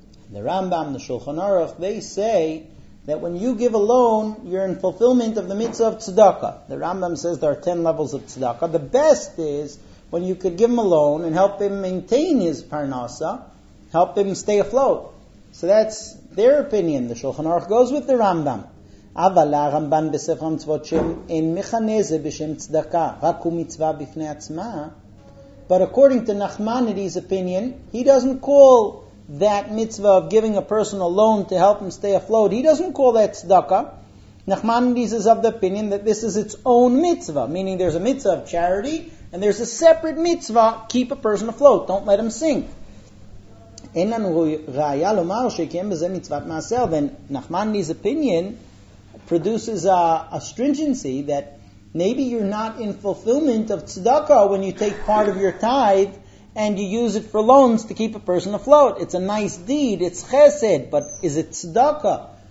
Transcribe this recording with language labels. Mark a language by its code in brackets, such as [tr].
[en] The Rambam, the Shulchan Aruch, they say that when you give a loan, you're in fulfillment of the mitzvah of tzedakah. The Rambam says there are 10 levels of tzedakah. The best is when you could give him a loan and help him maintain his parnasa, help him stay afloat. So that's their opinion. The Shulchan Aruch goes with the Rambam. [he] אבל הרמב"ן בספר המצוות שם אין מכנה זה בשם צדקה, רק הוא מצווה בפני עצמה. [en] But according to Nachmanides' opinion, he doesn't call that mitzvah of giving a person a loan to help him stay afloat, he doesn't call that tzedakah. Nachmanides is of the opinion that this is its own mitzvah, meaning there's a mitzvah of charity, and there's a separate mitzvah, keep a person afloat, don't let him sink. [he] אין לנו ראיה לומר שקיים בזה מצוות מעשר. [en] Then Nachmanides' opinion produces a stringency that maybe you're not in fulfillment of tzedakah when you take part of your tithe and you use it for loans to keep a person afloat. It's a nice deed, it's chesed, but is it tzedakah?